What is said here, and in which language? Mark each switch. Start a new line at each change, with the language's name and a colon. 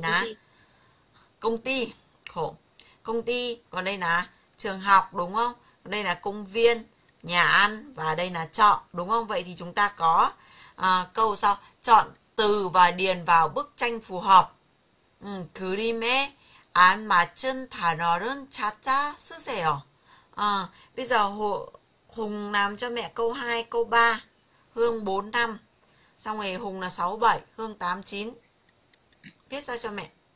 Vietnamese: Công là ty. công ty, khổ. Công ty, còn đây là trường học đúng không? Đây là công viên, nhà ăn và đây là chợ đúng không? Vậy thì chúng ta có câu sau, chọn từ và điền vào bức tranh phù hợp.
Korean: 그림에 안 맞춘 단어는 찾아 쓰세요.
Vietnamese: Bây giờ Hùng làm cho mẹ câu 2, câu 3, Hương 4, 5. Xong rồi Hùng là 6, 7, Hương 8, 9. Viết ra cho mẹ.